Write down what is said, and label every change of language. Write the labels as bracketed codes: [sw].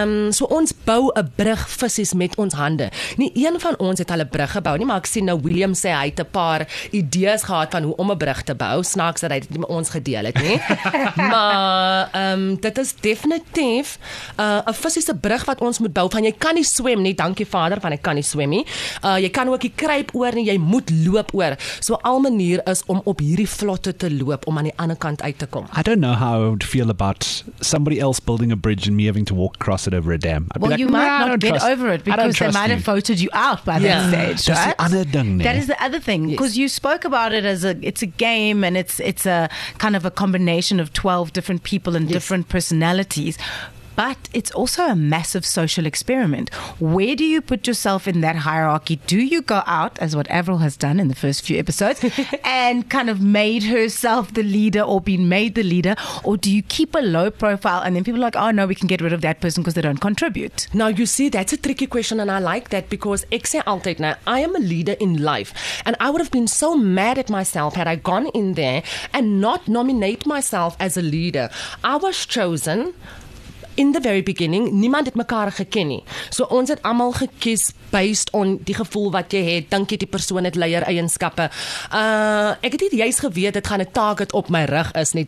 [af] So ons bou 'n brug fisies met ons hande. Nie een van ons het al 'n brug gebou nie, maar ek sien nou William sê hy het 'n paar idees gehad van hoe om 'n brug te bou. Snaaks dat hy dit nie met ons gedeel het nie. Maar dit is definitief 'n fisiese brug wat ons moet bou. Van jy kan nie swem nie, dankie Vader, van jy kan nie swem nie. Jy kan ook nie kruip oor nie, jy moet loop oor. So al manier is om op hierdie vlotte te loop om aan die ander kant uit te kom. [en] I don't know how I would feel about somebody else building a bridge and me having to walk across it over a dam. I'd well, like, you might not get trust, over it because they might have voted you out by that stage, right? That's the other thing. That is the other thing. Because you spoke about it as it's a game and it's a kind of a combination of 12 different people and different personalities. But it's also a massive social experiment. Where do you put yourself in that hierarchy? Do you go out, as what Avril has done in the first few episodes, and kind of made herself the leader or been made the leader? Or do you keep a low profile and then people are like, oh no, we can get rid of that person because they don't contribute? Now you see, that's a tricky question and I like that because I am a leader in life and I would have been so mad at myself had I gone in there and not nominate myself as a leader. I was chosen... In the very beginning, [af] niemand het mekaar geken nie. So ons het allemaal gekies [en] based on [af] die gevoel wat jy het. Dink jy die persoon het leier eienskappe. Ek het nie juis geweet, dit gaan 'n target op my rug is nie.